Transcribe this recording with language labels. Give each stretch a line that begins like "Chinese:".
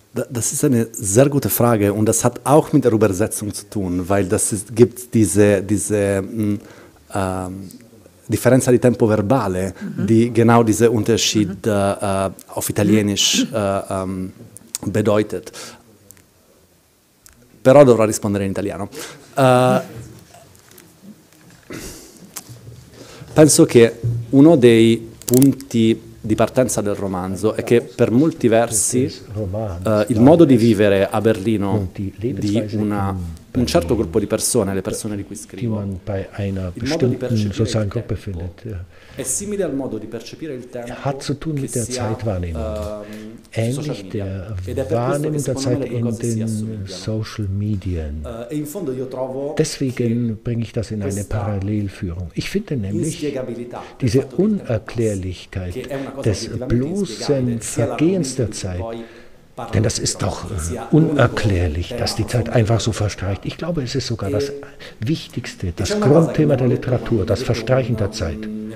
German: Das ist eine sehr gute Frage und das hat auch mit der Übersetzung zu tun, weil gibt diese
Italian: Differenza di tempo verbale,
German: die genau diesen Unterschied auf Italienisch bedeutet.
Italian: Però dovrò rispondere in italiano. Penso che uno dei punti di partenza del romanzo è che per molti versi il modo di vivere a Berlino di un certo gruppo di persone, le persone di cui scrivo, è simile al modo di percepire il tempo che si ha
German: ähnlich der Wahrnehmung der Zeit in den Social Media. Deswegen bringe ich das in eine Parallelführung. Ich finde nämlich diese Unerklärlichkeit des bloßen Vergehens der Zeit, denn das ist doch unerklärlich, dass die Zeit einfach so verstreicht. Ich glaube, es ist sogar das Wichtigste, das Grundthema der Literatur, das Verstreichen der Zeit.